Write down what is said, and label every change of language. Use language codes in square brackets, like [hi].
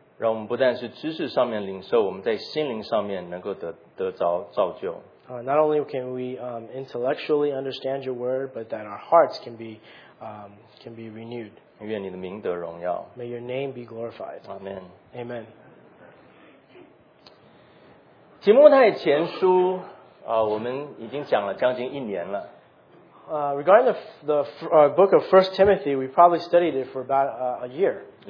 [en] Not only can we intellectually understand your word, but that our hearts can be renewed. May your name be glorified. Amen. Amen. [zh] 提摩太前书 我们已经讲了将近一年了。 [en] Regarding the book of 1 Timothy, we probably studied it for about a year.